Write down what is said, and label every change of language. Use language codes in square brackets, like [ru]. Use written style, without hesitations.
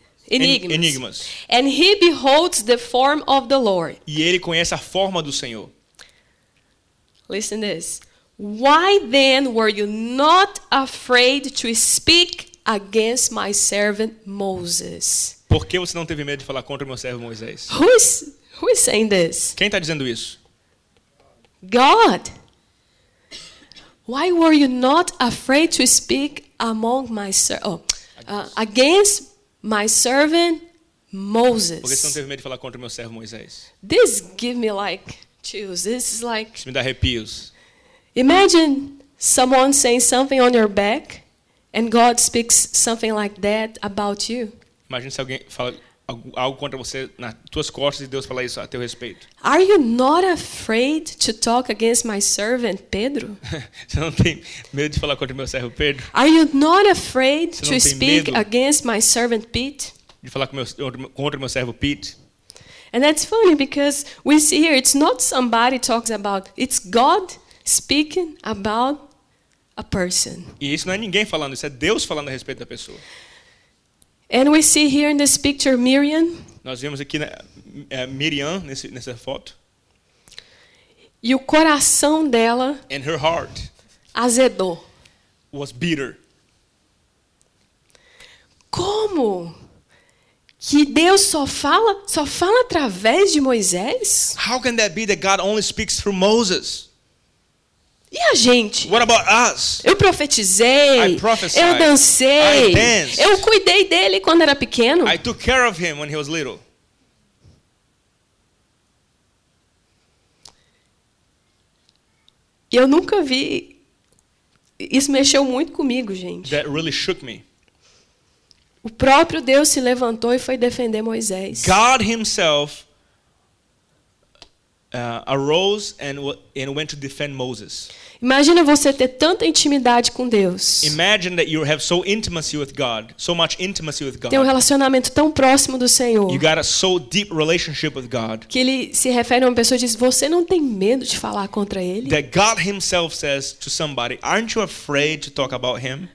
[en] enigmas. And he beholds the form of the Lord. [pt] E ele conhece a forma do Senhor. [en] Listen to this. Why then were you not afraid to speak against my servant Moses? [pt] Por que você não teve medo de falar contra o meu servo Moisés? [en] Who is saying this? [pt] Quem está dizendo isso? [en] God. Why were you not afraid to speak among my against my servant Moses? [pt] Por que você não teve medo de falar contra o meu servo Moisés? [en] This give me like chills. This is like. [pt] Isso me dá arrepios. [en] Imagine someone saying something on your back, and God speaks something like that about you. [pt] Imagine se alguém fala algo contra você nas tuas costas e Deus fala isso a teu respeito. [en] Are you not afraid to talk against my servant Pedro? [pt] Você não tem medo de falar contra meu servo Pedro? [en] Are you not afraid to speak against my servant Pete? [pt] De falar contra meu servo Pete? [en] And that's funny because we see here it's not somebody talks about, it's God speaking about a person. [pt] E isso não é ninguém falando, isso é Deus falando a respeito da pessoa. [en] And we see here in this picture Miriam. [pt] Nós vemos aqui Miriam nessa foto. E o coração dela. [en] And her heart. [pt] Azedou. [en] Was bitter. [pt] Como? Que Deus só fala através de Moisés? [en] How can that be that God only speaks through Moses? [pt] E a gente? [en] What about us? [pt] Eu profetizei. [en] I prophesied. [pt] Eu dancei. [en] I danced. [pt] Eu cuidei dele quando era pequeno. [en] I took care of him when he was little. [pt] E eu nunca vi. Isso mexeu muito comigo, gente. [en] That really shook me. [pt] O próprio Deus se levantou e foi defender Moisés. [en] God himself arose and went to defend Moses. [pt] Imagina você ter tanta intimidade com Deus. [en] Imagine that you have so intimacy with God, so much intimacy with God. [pt] Tem um relacionamento tão próximo do Senhor. [en] You got a so deep relationship with God. [pt] Que ele se refere a uma pessoa e diz: "Você não tem medo de falar contra ele?" [en] That God himself says to somebody, "Aren't you afraid to talk about him?"